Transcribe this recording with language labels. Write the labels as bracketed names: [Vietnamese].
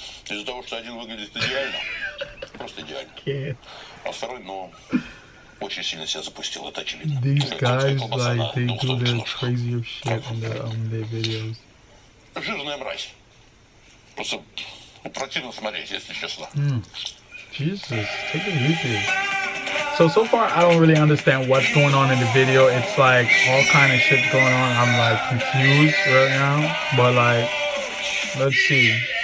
[Russian] Из-за того, что один выглядит идеально, просто идеально. [English] Okay. [Russian] А второй, ну, очень сильно себя запустил, это очевидно. [English] These guys, like, they do their crazier shit on their videos. [Russian] Жирная мразь. Просто противно смотреть, если честно. [English] Jesus, take it easy. So far, I don't really understand what's going on in the video. It's like all kind of shit going on. I'm like confused right now, but like, let's see.